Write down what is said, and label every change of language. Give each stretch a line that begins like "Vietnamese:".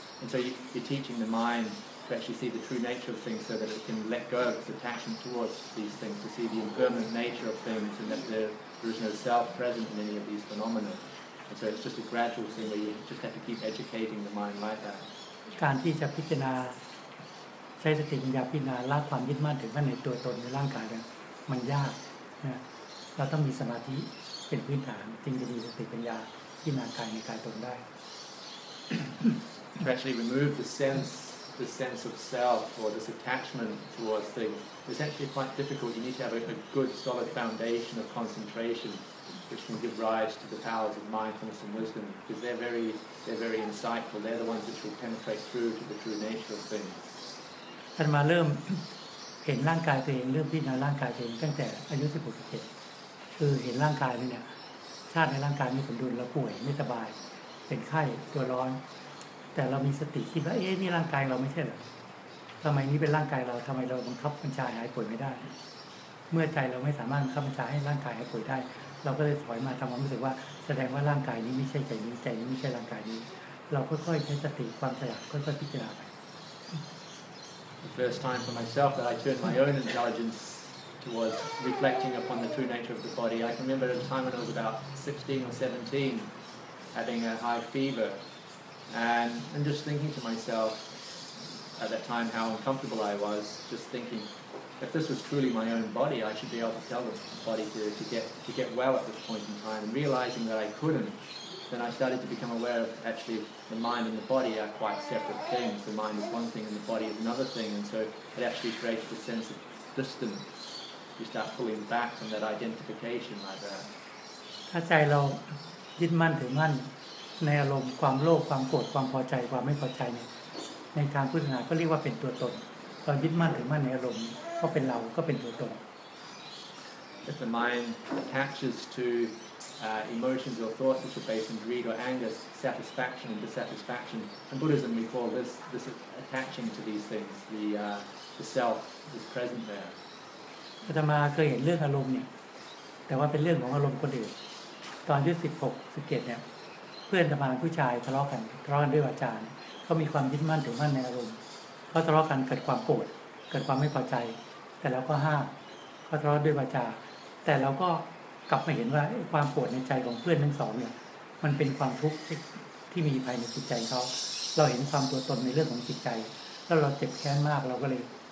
English: And so you're teaching the mind. To actually see the true nature of things so that it can let go of its attachment towards these things, to see the impermanent nature of things and that there is no self present in any of these phenomena. And so it's just a gradual thing where you just have to keep educating the mind like that.
Thai: การที่จะพิจารณาใช้สติปัญญาพิจารณาละความยึดมั่นถือมั่นในตัวตนในร่างกายมันยากนะเราต้องมีสมาธิเป็นพื้นฐานจึงจะมีสติปัญญาพิจารณากายในกายตนได้
English: To actually remove the sense of self or this attachment towards things is actually quite difficult. You need to have a good solid foundation of concentration which can give rise to the powers of mindfulness and wisdom because they're very insightful. They're the ones which will penetrate through to the true nature of things.
Thai: ท่านมาเริ่มเห็นร่างกายตัวเองเริ่มพิจารณาร่างกายตัวเองตั้งแต่อายุ16-17คือเห็นร่างกายเนี่ยชาติในร่างกายไม่สมดุลเราป่วยไม่สบายเป็นไข้ตัวร้อนแต่เรามีสติคิดว่าเอ๊ะนี่ร่างกายเราไม่ใช่เหรอทำไมนี่เป็นร่างกายเราทำไมเราบังคับบัญชาหายป่วยไม่ได้เมื่อใจเราไม่สามารถบังคับบัญชาให้ร่างกายหายป่วยได้เราก็เลยถอยมาทำความรู้สึกว่าแสดงว่าร่างกายนี้ไม่ใช่ใจนี้ใจนี้ไม่ใช่ร่างกายนี้เราค่อยๆใช้สติความฉลาดค่อยๆพิจารณาไป
English: The first time for myself that I turned my own intelligence towards reflecting upon the true nature of the body I can remember at a time when I was about 16 or 17 having a high feverAnd just thinking to myself at that time how uncomfortable I was, just thinking, if this was truly my own body, I should be able to tell the body to get well at this point in time. And realizing that I couldn't, then I started to become aware of actually the mind and the body are quite separate things. The mind is one thing and the body is another thing, and so it actually creates a sense of distance. You start pulling back from that identification like that.
Thai: ในอารมณ์ความโลภความโกรธความพอใจความไม่พอใจเนี่ยในทางพุทธศาสนาก็เรียกว่าเป็นตัวตนตอนยึดมั่นถือมั่นในอารมณ์ก็เป็นเราก็เป็นตัวตน
English: If the mind attaches to emotions or thoughts which are based on greed or anger, satisfaction and dissatisfaction, in Buddhism we call this attaching to these things, the self is present there.
Thai: อาตมาเคยเห็นเรื่องอารมณ์เนี่ยแต่ว่าเป็นเรื่องของอารมณ์คนอื่นตอนยึด16 17เนี่ยเพื่อนประมาณผู้ชายทะเลาะกันทะเลาะกันด้วยวาจาเขามีความยึดมั่นถือมั่นในอารมณ์เขาทะเลาะกันเกิดความโกรธเกิดความไม่พอใจแต่เราก็ห้ามเขาทะเลาะด้วยวาจาแต่เราก็กลับมาเห็นว่าความโกรธในใจของเพื่อนทั้งสองเนี่ยมันเป็นความทุกข์ที่มีภายในจิตใจเขาเราเห็นความตัวตนในเรื่องของจิตใจแล้วเราเจ็บแค้นมากเราก็เลย